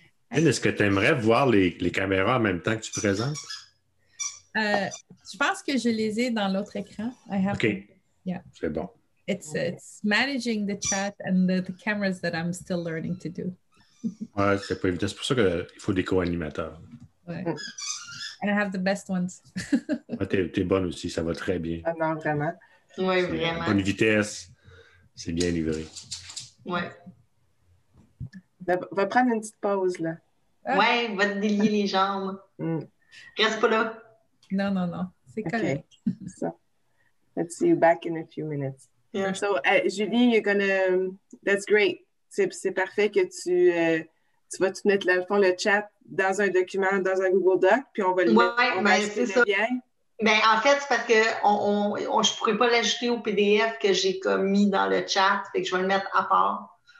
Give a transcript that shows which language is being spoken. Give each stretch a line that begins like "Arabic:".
French: Est-ce que tu aimerais voir les caméras en même temps que tu présentes? Je pense que je les ai dans l'autre écran.
English: I have okay. To, yeah.
French: C'est bon.
English: It's managing the chat and the cameras that I'm still learning to do.
French: Ouais, c'est pas évident. C'est pour ça qu'il faut des co-animateurs.
English: Ouais. And I have the best ones.
French: Ouais, t'es bonne aussi, ça va très bien. Ah non, vraiment. Oui, c'est vraiment. Bonne vitesse. C'est bien livré. Ouais. Va prendre une petite pause, là. Ah. Ouais, va te délier les jambes. Reste pas là.
English: No, no, no. C'est okay. So, let's see you back in a few minutes. Yeah. So, Julie, you're gonna. That's great.
French: C'est parfait que tu vas tout mettre le fond le chat dans un document dans un Google Doc puis on va le mettre. Ouais, on va c'est le ça. Bien. Ben en fait c'est parce que on je pourrais pas l'ajouter au PDF que j'ai comme mis dans le chat fait que je vais le mettre à part.